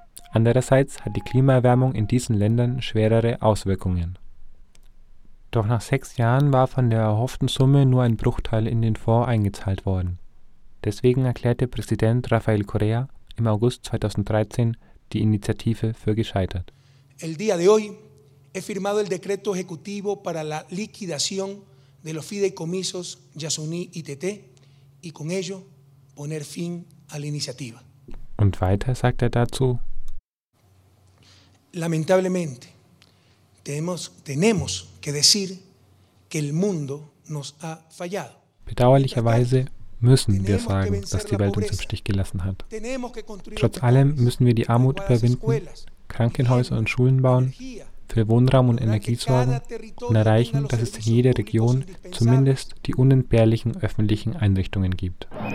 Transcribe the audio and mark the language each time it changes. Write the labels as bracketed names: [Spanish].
[German] Andererseits hat die Klimaerwärmung in diesen Ländern schwerere Auswirkungen. Doch nach 6 Jahren war von der erhofften Summe nur ein Bruchteil in den Fonds eingezahlt worden. Deswegen erklärte Präsident Rafael Correa im August 2013 die Initiative für gescheitert. [Spanish] El día de hoy he firmado el decreto ejecutivo para la liquidación de los fideicomisos Yasuní y Teté y con ello poner fin a la iniciativa. [German] Und weiter sagt dazu: [Spanish] Lamentablemente, tenemos que decir que el mundo nos ha fallado. [German] Bedauerlicherweise müssen wir sagen, dass die Welt uns im Stich gelassen hat. Trotz allem müssen wir die Armut überwinden, Krankenhäuser und Schulen bauen, für Wohnraum und Energie sorgen und erreichen, dass es in jeder Region zumindest die unentbehrlichen öffentlichen Einrichtungen gibt.